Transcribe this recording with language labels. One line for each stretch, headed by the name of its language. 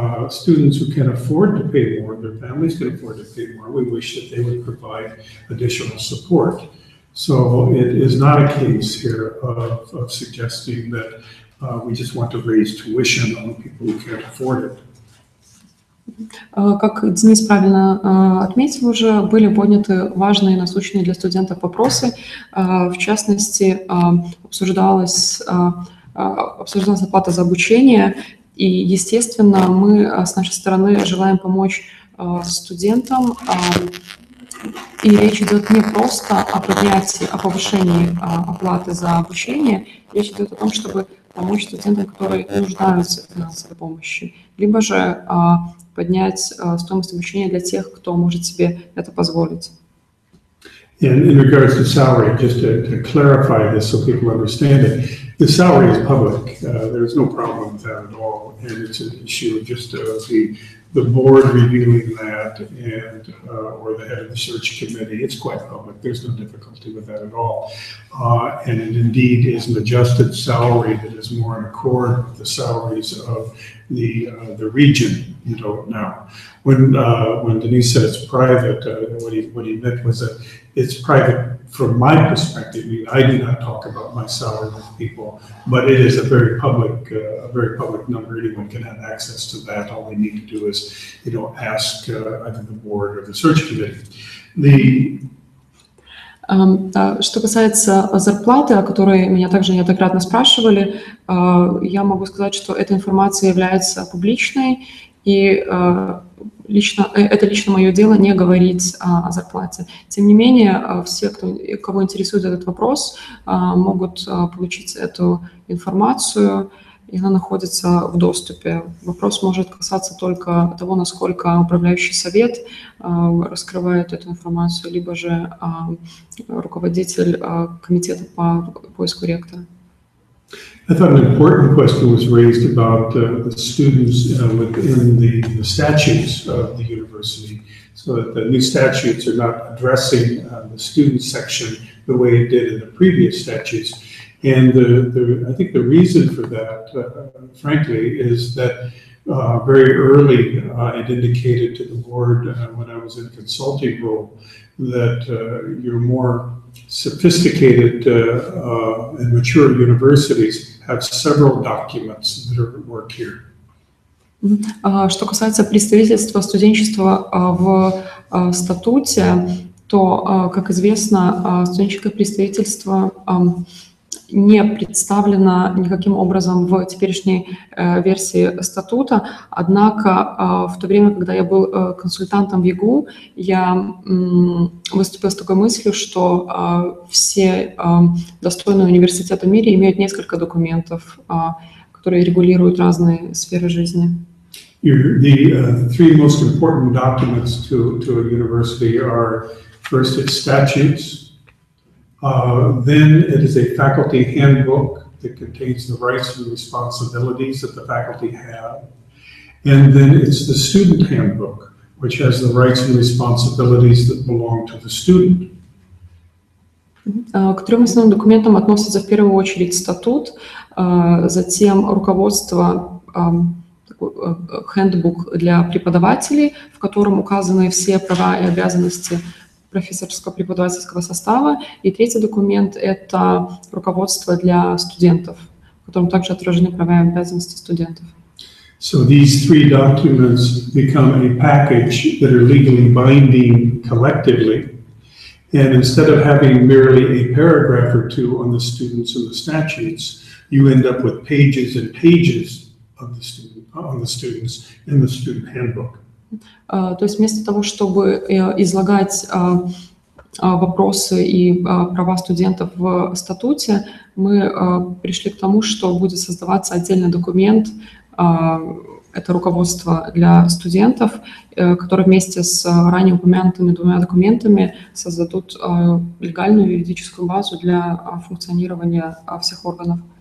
English: Students who can afford to pay more, their families can afford to pay more, we wish that they would provide additional support. So it is not a case here of suggesting that we just want to raise tuition on people who can't afford it.
Russian: Как Денис правильно отметил, уже были подняты важные и насущные для студентов вопросы. В частности, обсуждалась оплата за обучение. И, естественно, мы с нашей стороны желаем помочь студентам. И речь идет не просто о поднятии, о повышении оплаты за обучение. Речь идет о том, чтобы помочь студентам, которые нуждаются в финансовой помощи. Либо же поднять стоимость обучения для тех, кто может себе это позволить.
English: In regards to salary, just to clarify this so people understand it, the salary is public. There is no problem with that at all. And it's an issue of just the board reviewing that and or the head of the search committee. It's quite public. There's no difficulty with that at all. And it indeed is an adjusted salary that is more in accord with the salaries of the region. You don't know. When Denise said it's private, what he meant was that it's private from my perspective. I mean, I do not talk about my salary with people, but it is a very public number. Anyone can have access to that. All they need to do is, you know, ask either the board or the search committee.
Russian: Что касается зарплаты, о которой меня также неоднократно спрашивали, я могу сказать, что эта информация является публичной. И лично мое дело не говорить о зарплате. Тем не менее, все, кого интересует этот вопрос, могут получить эту информацию, и она находится в доступе. Вопрос может касаться только того, насколько управляющий совет раскрывает эту информацию, либо же руководитель комитета по поиску ректора.
English: I thought an important question was raised about the students within the statutes of the university, so that the new statutes are not addressing the student section the way it did in the previous statutes. And I think the reason for that, frankly, is that very early it indicated to the board when I was in a consulting role that you're more sophisticated and mature universities have several documents that are at work here.
Russian: Что касается представительства студенчества в статуте, то, как известно, студенческое представительство не представлено никаким образом в теперешней версии статута. Однако в то время, когда я был консультантом в ЕГУ, я выступил с такой мыслью, что все достойные университеты в мире имеют несколько документов, которые регулируют разные сферы жизни.
English: The three most important documents to a university are, first, its statutes. Then it is a faculty handbook that contains the rights and responsibilities that the faculty have. And then it's the student handbook, which has the rights and responsibilities that belong to the student.
Russian: К трем основным документам относятся в первую очередь статут, затем руководство, handbook для преподавателей, в котором указаны все права и обязанности профессорского преподавательского состава. И третий документ — это руководство для студентов, в котором также отражены права и обязанности студентов.
English: So these three documents become a package that are legally binding collectively. And instead of having merely a paragraph or two on the students and the statutes, you end up with pages and pages of the student, on the students in the student handbook.
Russian: То есть вместо того, чтобы излагать вопросы и права студентов в статуте, мы пришли к тому, что будет создаваться отдельный документ, это руководство для студентов, которое вместе с ранее упомянутыми двумя документами создадут легальную юридическую базу для функционирования всех органов.